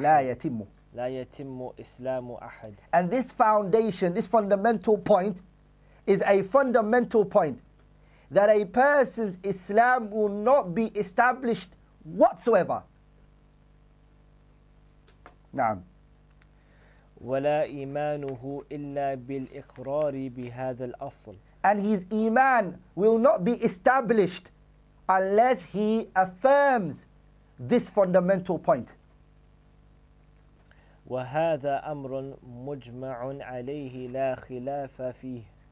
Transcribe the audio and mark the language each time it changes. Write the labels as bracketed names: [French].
[Arabic] لَا يَتِمُّ. لا يتم إسلام أحد. [English] And this foundation, this fundamental point, is a fundamental point that a person's Islam will not be established whatsoever. [Arabic] نعم. ولا إيمانه إلا بالإقرار بهذا الأصل. [English] And his iman will not be established unless he affirms this fundamental point. [Arabic] وهذا أمر مجمع عليه لا خلاف فيه.